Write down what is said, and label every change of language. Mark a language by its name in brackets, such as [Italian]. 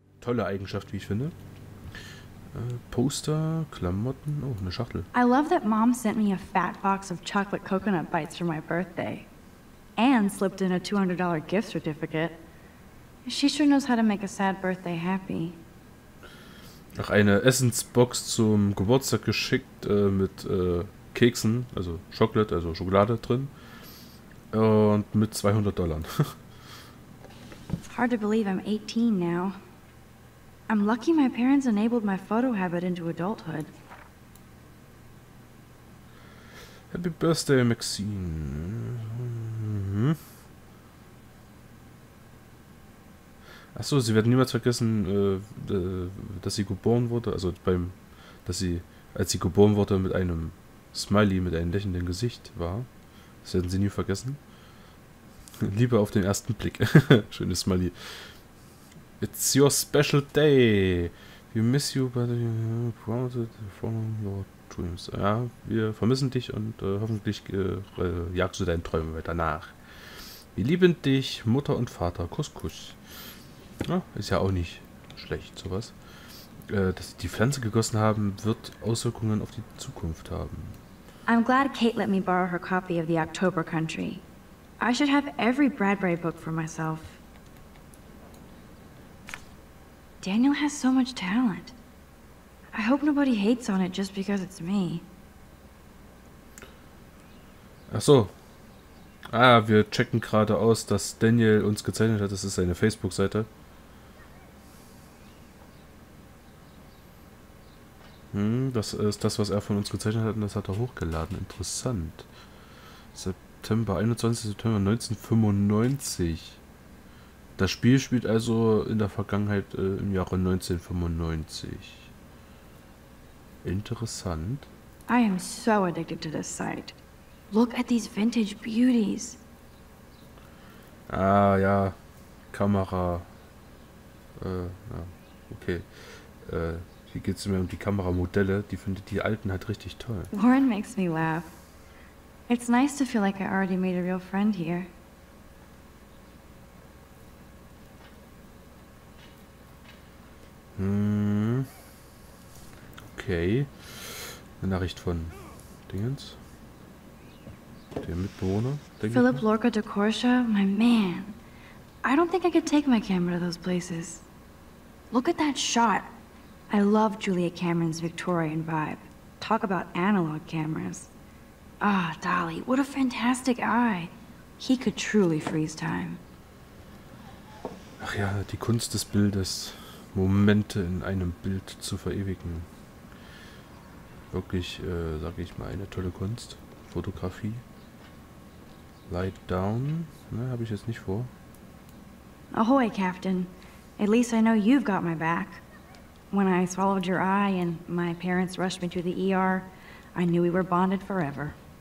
[German] tolle Eigenschaft, wie ich finde. Poster, Klamotten, oh, eine Schachtel. [English] I love that Mom sent me a fat box of chocolate coconut bites for my birthday. And slipped in a $200 gift certificate. She sure knows how to make a sad birthday happy. [German] Ach, eine Essensbox zum Geburtstag geschickt mit Keksen, also Chocolate, also Schokolade drin. Und mit $200. [English] Hard to believe I'm 18 now. I'm lucky my parents enabled my photo habit into adulthood. Happy Birthday, Maxine. [German] Achso, sie werden niemals vergessen, dass sie geboren wurde, also beim, dass sie, als sie geboren wurde, mit einem Smiley, mit einem lächelnden Gesicht war. Das werden sie nie vergessen. Liebe auf den ersten Blick. Schönes Smiley. [English] It's your special day. We miss you, but you're from your dreams. [German] Ja, wir vermissen dich und hoffentlich jagst du deinen Träumen weiter nach. Wir lieben dich, Mutter und Vater. Kuss, Kuss. Ja, ist ja auch nicht schlecht, sowas. Dass sie die Pflanze gegossen haben, wird Auswirkungen auf die Zukunft haben. [English] I'm glad Kate let me borrow her copy of the October Country. I should have every Bradbury book for myself. Daniel has so much talent. I hope nobody hates on it just because it's me. [German] Ach so. Ah, wir checken gerade aus, dass Daniel uns gezeichnet hat. Das ist seine Facebook-Seite. Das ist das, was er von uns gezeichnet hat, und das hat er hochgeladen. Interessant. September, 21. September 1995. Das Spiel spielt also in der Vergangenheit im Jahre 1995. Interessant. [English] I am so addicted to this site. Look at these vintage beauties. [German] Ah ja, Kamera. Okay. Hier geht es mir um die Kameramodelle. Die findet die alten halt richtig toll. [English] Warren makes me laugh. It's nice to feel like I already made a real friend here. Okay. [German] Eine Nachricht von Dingens. Der Mitbewohner. [English] Philip Lorca de Corsia, my man. I don't think I could take my camera to those places. Look at that shot. I love Julia Cameron's Victorian vibe. Talk about analog cameras. Ah, Dolly, what a fantastic eye. He could truly freeze time. [German] Ach ja, die Kunst des Bildes. Momente in einem Bild zu verewigen. Wirklich, sag ich mal, eine tolle Kunst. Fotografie. [English] Light down. [German] Ne, habe ich jetzt nicht vor. [English] Ahoy, Captain. At least I know you've got my back. When I swallowed your eye and my parents rushed me to the ER, I knew we were bonded forever.